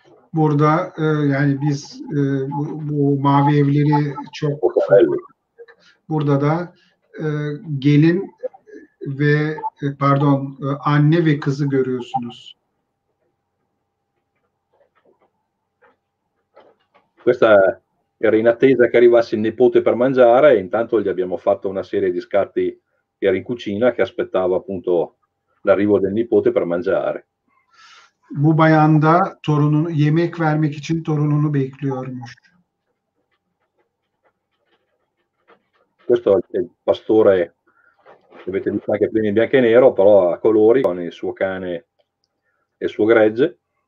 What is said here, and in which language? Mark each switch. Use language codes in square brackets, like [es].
[tr] Burada yani biz bu mavi evleri çok. Burada da gelin ve pardon anne ve kızı görüyorsunuz. [it] Questa era in attesa che arrivasse il nipote per mangiare, e intanto gli abbiamo fatto una serie di scatti, che era in cucina, che aspettava appunto l'arrivo del nipote per mangiare. [tr] Bu bayan da torununu yemek vermek için torununu bekliyormuş. [it] Questo è il pastore, che avete visto anche prima in bianco e nero, però a colori, con il suo cane e il suo gregge.